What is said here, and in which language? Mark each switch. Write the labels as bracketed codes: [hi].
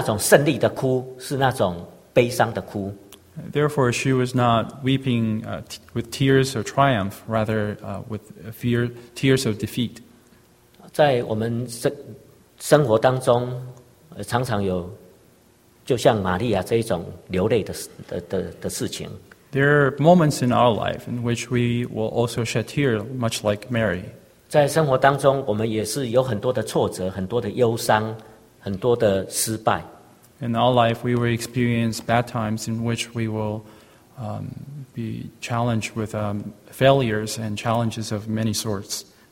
[zh] 所以她不是那种胜利的哭，是那种悲伤的哭。 [en] Therefore, she was not weeping with tears of triumph, rather with fear, tears of defeat. [zh] 在我们生活当中，常常有就像玛利亚这一种流泪的事情。 [en] There are moments in our life in which we will also shed tears, much like Mary. [zh] 在生活当中，我们也是有很多的挫折，很多的忧伤，很多的失败。 [en] In our life, we will experience bad times in which we will be challenged with failures and challenges of many sorts.